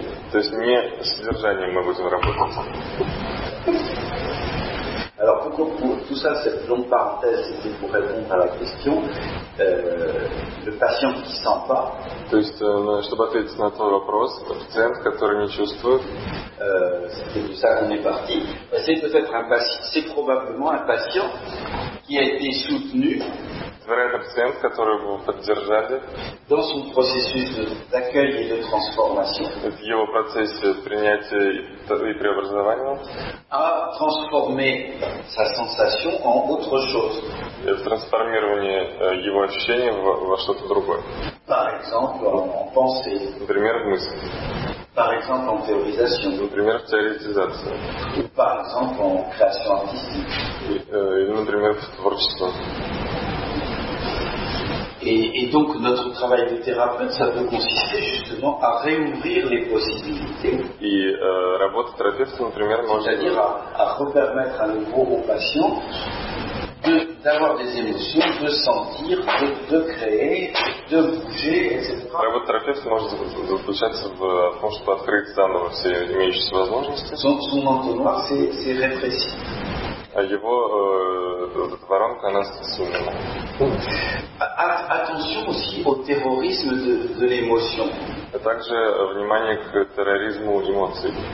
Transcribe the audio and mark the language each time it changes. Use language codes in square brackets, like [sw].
[ru] То есть не содержанием мы будем работать. [fr] Alors pour tout ça, cette longue parenthèse, c'était pour répondre à la question. Le patient qui sent pas. [ru] То есть, чтобы ответить на твой вопрос, пациент, который не чувствует. [fr] C'était de ça qu'on est parti. C'est peut-être un patient. C'est probablement un patient qui a été soutenu. [ru] Вероятно, пациент, который его поддержали [fr] dans son processus d'accueil et de transformation, [ru] в его процессе принятия и преобразования, [fr] a transformé sa sensation en autre chose. [ru] В трансформировании его ощущений во что-то другое. [fr] Par exemple, en pensée. [ru] Например, в мысли. [fr] Par exemple, en théorisation. [ru] Например, в теоретизации. [fr] Ou par exemple, en création artistique. [ru] Или, например, в творчестве. [fr] Et donc notre travail de thérapeute, ça peut consister justement à réouvrir les possibilités. [ru] Et работа терапевта, например, может. [fr] C'est-à-dire à repermettre à nouveau au patient d'avoir des émotions, de sentir, de créer, de bouger, etc. [ru] Работа терапевта может заключаться в том, чтобы открыть заново все имеющиеся возможности. [fr] Son entonnoir, c'est répressif. [ru] А его воронка, она сумма. [fr] Attention aussi au terrorisme de l'émotion. [ru] А также внимание к терроризму эмоций.